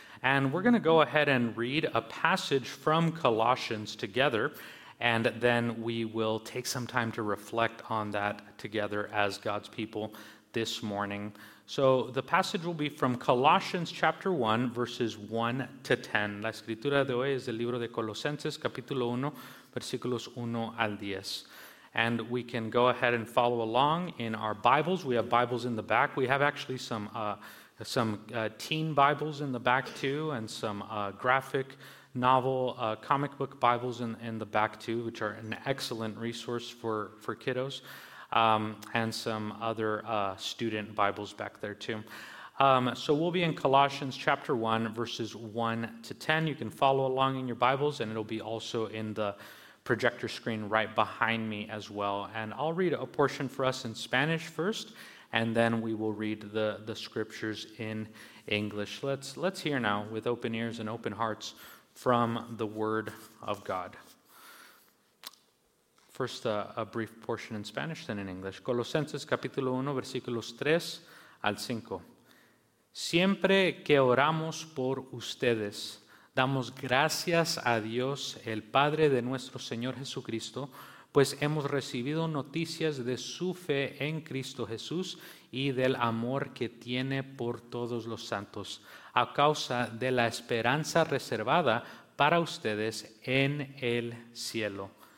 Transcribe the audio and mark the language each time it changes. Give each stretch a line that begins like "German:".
English: And we're going to go ahead and read a passage from Colossians together, and then we will take some time to reflect on that together as God's people this morning. So the passage will be from Colossians chapter 1, verses 1 to 10.
Spanish: La escritura de hoy es del libro de Colosenses, capítulo 1, versículos 1 al 10.
English: And we can go ahead and follow along in our Bibles. We have Bibles in the back. We have actually some teen Bibles in the back too, and some graphic novel comic book Bibles in the back too, which are an excellent resource for kiddos. And some other student Bibles back there too. So we'll be in Colossians chapter 1, verses 1 to 10. You can follow along in your Bibles, and it'll be also in the projector screen right behind me as well. And I'll read a portion for us in Spanish first, and then we will read the scriptures in English. Let's hear now with open ears and open hearts from the Word of God. First, a brief portion in Spanish, then in English.
Spanish: Colosenses, capítulo 1, versículos 3 al 5. Siempre que oramos por ustedes, damos gracias a Dios, el Padre de nuestro Señor Jesucristo, pues hemos recibido noticias de su fe en Cristo Jesús y del amor que tiene por todos los santos, a causa de la esperanza reservada para ustedes en el cielo.